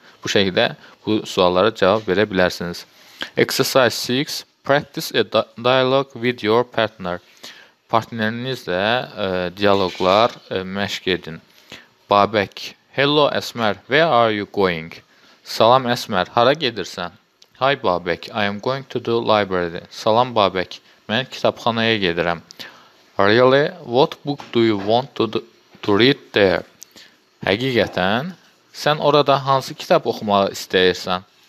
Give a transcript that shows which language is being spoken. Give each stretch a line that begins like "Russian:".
Azerbaijani: Bu şekilde bu suallara cevap verə bilərsiniz.
English: Exercise 6. Practice a dialogue with your partner.
Azerbaijani: Partnerinizlə diyaloglar məşq edin.
English: Babek, hello Esmer, where are you going?
Azerbaijani: Salam Esmer, hara gedirsən?
English: Hi Babek, I am going to the library.
Azerbaijani: Salam Babek, mən kitabxanaya gedirəm.
English: Really, what book do you want to read there?
Azerbaijani: Həqiqətən, sən orada hansı kitab oxumağı istəyirsən?